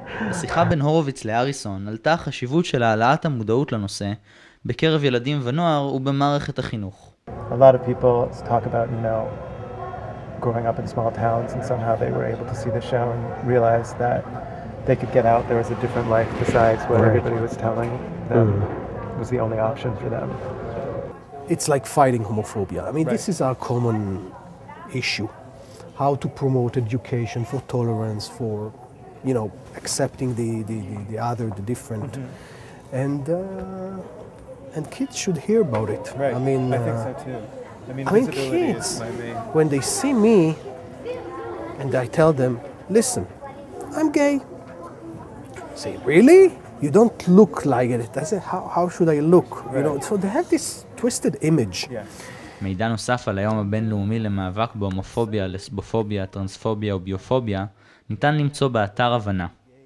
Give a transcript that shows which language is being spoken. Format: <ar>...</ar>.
<he>בשיחה בין הורוביץ להריסון עלתה החשיבות של העלאת המודעות לנושא בקרב ילדים ונוער ובמערכת החינוך.</he> <en>A lot of people talk about, you know, growing up in small towns and somehow they were able to see the show and realize that they could get out, there was a different life besides what everybody was telling them was the only option for them. It's like fighting homophobia. I mean, this is our common issue. How to promote education for tolerance, for, you know, accepting the other, the different. Mm-hmm. And kids should hear about it. Right. I mean, I think so too. I mean, kids, when they see me and I tell them, listen, I'm gay. Say, really? You don't look like it. I say, how should I look? Right. You know, so they have this twisted image.</en> <he>מידע נוסף על היום הבינלאומי למאבק בהומופוביה, לסבופוביה, טרנספוביה וביופוביה, ניתן למצוא באתר הבנה.</he>